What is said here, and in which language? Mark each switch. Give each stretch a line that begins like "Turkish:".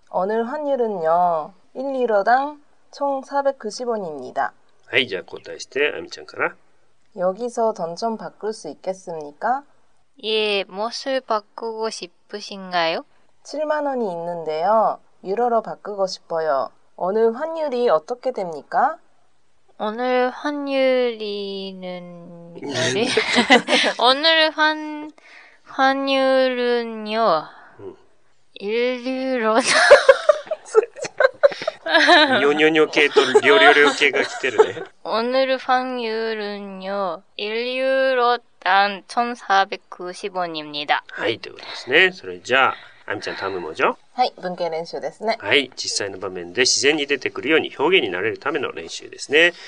Korean: 오늘환율은요1유로당총490원입니다
Japanese: はい、じゃあ交代して、あみちゃんから。
Korean: 여기서돈좀바꿀수있겠습니까 예、무엇을바꾸고싶으신가요 ?7 만원이있는데요。 유로로바꾸고싶어요。 오늘환율이어떻게됩니까 오늘환율이는 오늘환율은요。1유로당
Japanese: ニョニョニョ系とリョリョリョ系が来てるね。
Korean: 오늘환율은요1유로당1490원입니다。
Japanese: はい、ということですね。それじゃあ、あみちゃん頼むもじょ。はい、文型練習ですね。はい、実際の場面で自然に出てくるように表現になれるための練習ですね。